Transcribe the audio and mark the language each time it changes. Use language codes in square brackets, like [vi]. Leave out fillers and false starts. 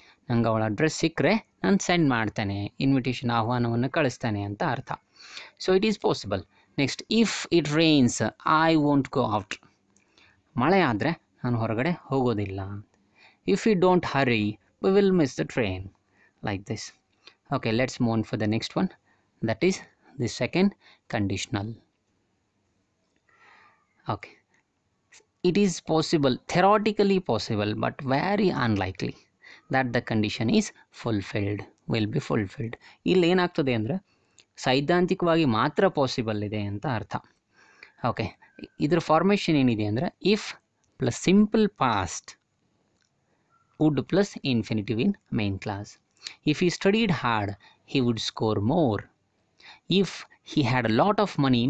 [kn] ನಂಗೆ ಅವಳ ಅಡ್ರೆಸ್ ಸಿಕ್ಕರೆ ನಾನು ಸೆಂಡ್ ಮಾಡ್ತೇನೆ, ಇನ್ವಿಟೇಷನ್ ಆಹ್ವಾನವನ್ನು ಕಳಿಸ್ತೇನೆ ಅಂತ ಅರ್ಥ. [en] So it is possible. Next, if it rains I won't go out, [kn] ಮಳೆ ಆದರೆ ನಾನು ಹೊರಗಡೆ ಹೋಗೋದಿಲ್ಲ. [en] If you don't hurry we will miss the train. like this. Okay, let's move on for the next one. That is the second conditional. Okay, it is possible, theoretically possible, but very unlikely that the condition is fulfilled, will be fulfilled. [kn] ಇಲ್ಲಿ ಏನಾಗ್ತದೆ ಅಂದರೆ ಸೈದ್ಧಾಂತಿಕವಾಗಿ ಮಾತ್ರ possible ಇದೆ ಅಂತ ಅರ್ಥ. [en] okay, [kn] ಇದರ formation ಏನಿದೆ ಅಂದರೆ [en] If plus simple past would plus infinitive in main clause. If he studied hard he would score more. If he had a lot of money.